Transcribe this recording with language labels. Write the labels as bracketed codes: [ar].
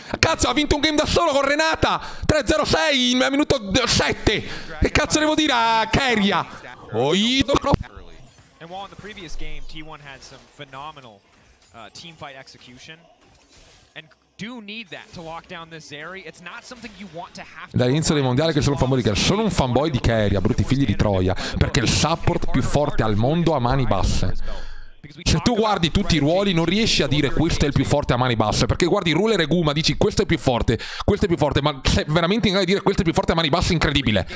[it] Cazzo, ha vinto un game da solo con Renata. 3-0-6 in minuto 7. Che cazzo devo dire a Carrier? [en] And while in the previous game T1 had some phenomenal team fight execution and do need that to lock down this Zeri, it's not something you want to have. [it] Dall'inizio dei mondiali che sono un fanboy di Carrier, sono un fanboy di Carrier, brutti figli di troia, perché è il support più forte al mondo a mani basse. Se tu guardi tutti i ruoli, non riesci a dire questo è il più forte a mani basse. Perché guardi Ruler e Guma, dici questo è più forte, questo è più forte. Ma sei veramente in grado di dire questo è più forte a mani basse? Incredibile.